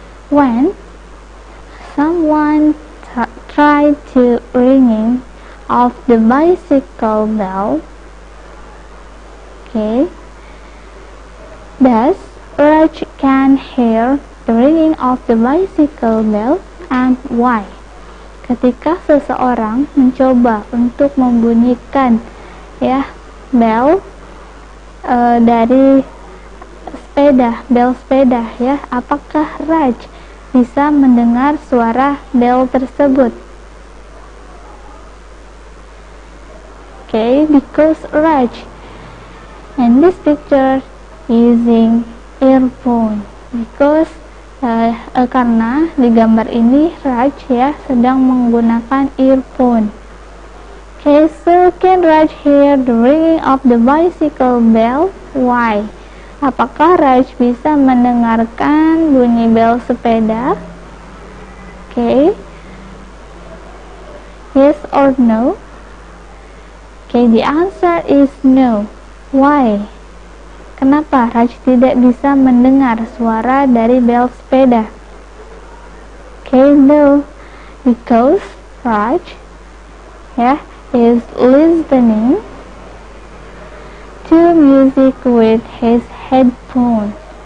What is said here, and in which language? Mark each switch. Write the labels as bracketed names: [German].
[English] When someone tried to ringing off the bicycle bell, okay, thus Raj can hear the ringing of the bicycle bell. And why? [Indonesian] Ketika seseorang mencoba untuk membunyikan ya bell dari sepeda, bel sepeda ya, apakah Raj bisa mendengar suara bel tersebut? [English] Okay, because Raj in this picture using earphone, because [Indonesian] karena di gambar ini Raj ya sedang menggunakan earphone. [English] Okay, so can Raj hear the ringing of the bicycle bell? Why? [Indonesian] Apakah Raj bisa mendengarkan bunyi bel sepeda? [English] Okay. Yes or no? Okay, the answer is no. Why? [Indonesian] Kenapa Raj tidak bisa mendengar suara dari bel sepeda? [English] Okay, no. Because Raj, yeah, is listening to music with his headphone.